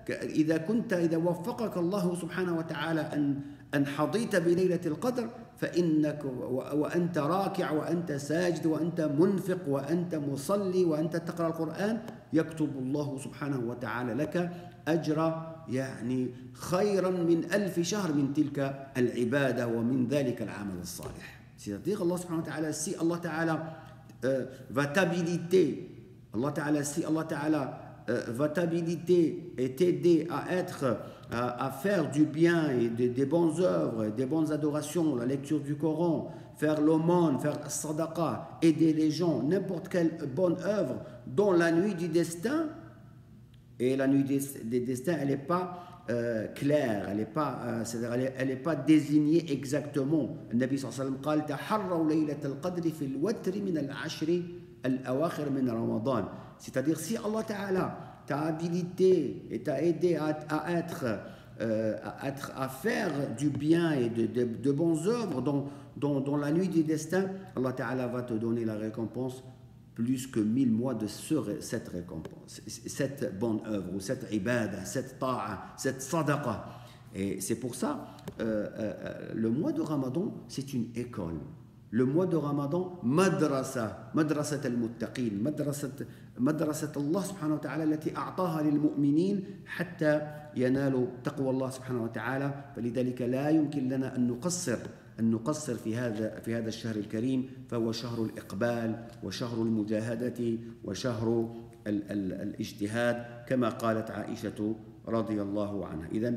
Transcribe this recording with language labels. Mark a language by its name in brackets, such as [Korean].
[Arabic] إذا وفقك الله سبحانه وتعالى أن حظيت بليلة القدر، فإنك وأنت راكع وأنت ساجد وأنت منفق وأنت مصلي وأنت تقرأ القرآن، يكتب الله سبحانه وتعالى لك أجر يعني خيرا من ألف شهر من تلك العبادة ومن ذلك العمل الصالح. [French] C'est-à-dire Allah subhanahu wa ta'ala, si Allah ta'ala va t'habiliter, Allah ta'ala, si Allah ta'ala va t'habiliter et t'aider à faire du bien et des bonnes œuvres, des bonnes adorations, la lecture du Coran, faire l'aumône, faire sadaqa, aider les gens, n'importe quelle bonne œuvre dans la nuit du destin, et la nuit des destins, elle n'est pas claire, elle n'est pas désignée exactement. [Arabic] Le Nabi sallallahu alayhi wa sallam قال تحروا ليلة القدر في الوتر من العشر الأواخر من رمضان. [French] C'est-à-dire si Allah Ta'ala t'a habilité et t'a aidé à être à faire du bien et de bonnes œuvres dans la nuit du destin, Allah Ta'ala va te donner la récompense plus que 1000 mois de cette récompense, cette bonne œuvre, ou cette ibad, cette ta'a, cette sadaqa. Et c'est pour ça, le mois de Ramadan, c'est une école. Le mois de Ramadan, [Arabic] madrasa al-muttaqin, madrasa Allah subhanahu wa ta'ala, التي أعطاها للمؤمنين حتى ينالوا تقوى الله سبحانه وتعالى. فلذلك لا يمكن لنا أن نقصر في هذا الشهر الكريم، فهو شهر الإقبال وشهر المجاهدة وشهر الاجتهاد كما قالت عائشة رضي الله عنها.